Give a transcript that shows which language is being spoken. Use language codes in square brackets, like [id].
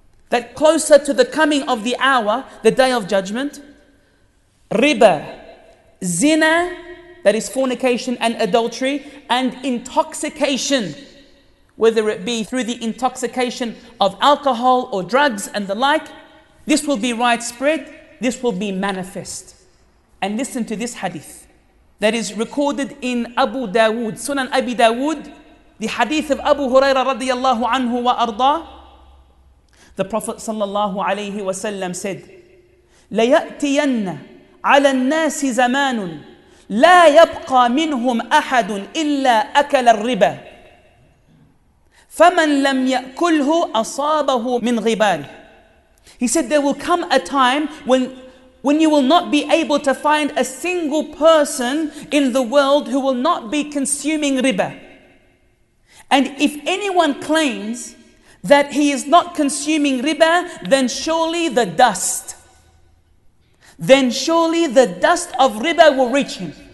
[en] that closer to the coming of the hour, the day of judgment, riba, zina, that is fornication and adultery, and intoxication, whether it be through the intoxication of alcohol or drugs and the like, this will be widespread, this will be manifest. And listen to this hadith that is recorded in Abu Dawood, Sunan Abi Dawood, the hadith of Abu Hurairah radiyallahu anhu wa arda. The Prophet sallallahu alayhi wa sallam said, [ar] لَيَأْتِيَنَّ عَلَى النَّاسِ زَمَانٌ لَا يَبْقَى مِنْهُمْ أَحَدٌ إِلَّا أَكَلَ الرِّبَى فَمَنْ لَمْ يَأْكُلْهُ أَصَابَهُ مِنْ غِبَالِهِ. [en] He said, there will come a time when you will not be able to find a single person in the world who will not be consuming riba. And if anyone claims that he is not consuming riba, then surely the dust, then surely the dust of riba will reach him.